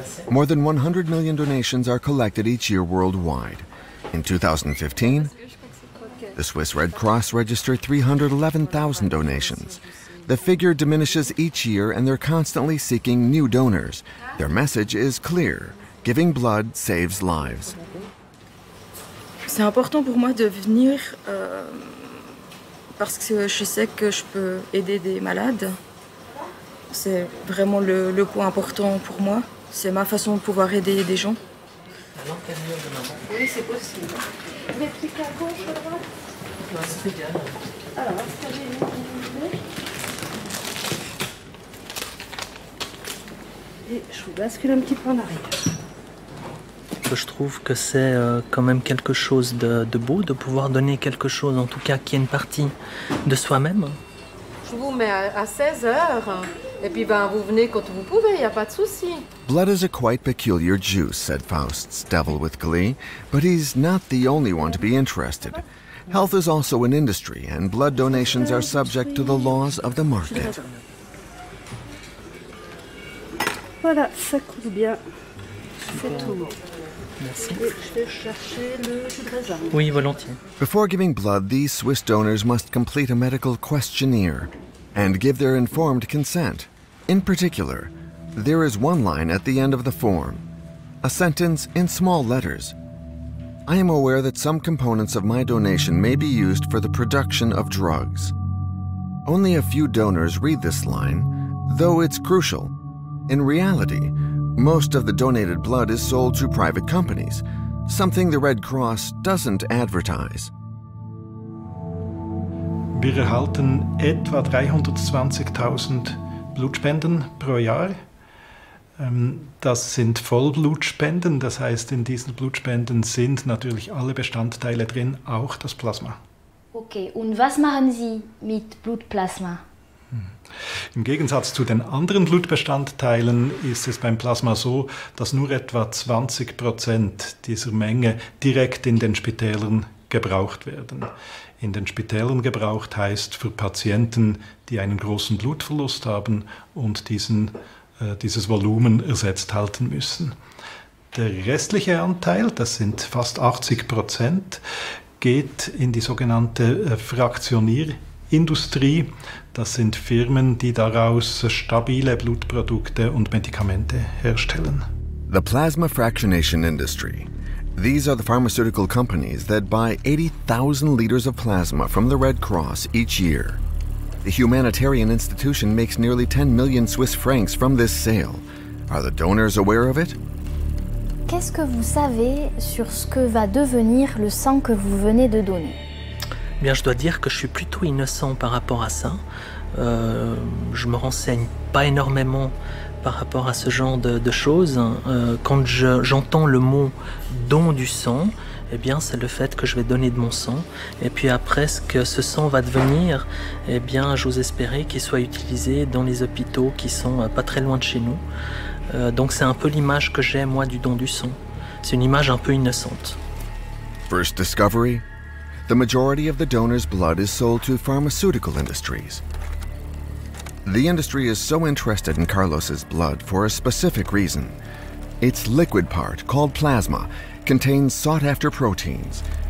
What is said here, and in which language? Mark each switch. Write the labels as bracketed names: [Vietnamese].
[English] More than 100 million donations are collected each year worldwide. In 2015, the Swiss Red Cross registered 311,000 donations. The figure diminishes each year, and they're constantly seeking new donors. Their message is clear. Giving blood saves lives. [French] C'est important pour moi de venir parce que je sais que je peux aider des malades. C'est vraiment le point important pour moi. C'est ma façon de pouvoir aider des gens. Oui, c'est possible. Mes petits cartons, ça va ? Ouais, c'est bien. Alors, est-ce que j'ai une idée ? Et je vous bascule un petit peu en arrière. Je trouve que c'est quand même quelque chose de beau de pouvoir donner quelque chose, en tout cas qui est une partie de soi-même. Je vous mets à 16 heures et puis ben vous venez quand vous pouvez, il y a pas de souci. [English] Blood is a quite peculiar juice, said Faust's devil with glee, but he's not the only one to be interested. Health is also an industry and blood donations are subject to the laws of the market. [French] Voilà, ça coûte bien. C'est tout. Merci. Oui, volontiers. [English] Before giving blood, these Swiss donors must complete a medical questionnaire and give their informed consent. In particular, there is one line at the end of the form, a sentence in small letters. I am aware that some components of my donation may be used for the production of drugs. Only a few donors read this line, though it's crucial. In reality, most of the donated blood is sold to private companies, something the Red Cross doesn't advertise. [German] Wir erhalten etwa 320.000 Blutspenden pro Jahr. Das sind Vollblutspenden, das heißt, in diesen Blutspenden sind natürlich alle Bestandteile drin, auch das Plasma. Okay, und was machen Sie mit Blutplasma? Im Gegensatz zu den anderen Blutbestandteilen ist es beim Plasma so, dass nur etwa 20% dieser Menge direkt in den Spitälern gebraucht werden. In den Spitälern gebraucht heißt für Patienten, die einen großen Blutverlust haben und dieses Volumen ersetzt halten müssen. Der restliche Anteil, das sind fast 80%, geht in die sogenannte Fraktionierindustrie. Das sind Firmen, die daraus stabile Blutprodukte und Medikamente herstellen. [English] The plasma fractionation industry. These are the pharmaceutical companies that buy 80,000 liters of plasma from the Red Cross each year. The humanitarian institution makes nearly 10 million Swiss francs from this sale. Are the donors aware of it? [French] Qu'est-ce que vous savez sur ce que va devenir le sang que vous venez de donner? Bien, je dois dire que je suis plutôt innocent par rapport à ça. Je me renseigne pas énormément par rapport à ce genre de choses. Quand j'entends le mot don du sang, Eh bien, c'est le fait que je vais donner de mon sang. Et puis après, ce que ce sang va devenir, eh bien, j'ose espérer qu'il soit utilisé dans les hôpitaux qui sont pas très loin de chez nous. Donc c'est un peu l'image que j'ai, moi, du don du sang. C'est une image un peu innocente. [English] First discovery, the majority of the donor's blood is sold to pharmaceutical industries. The industry is so interested in Carlos's blood for a specific reason. Its liquid part, called plasma, contains sought-after proteins.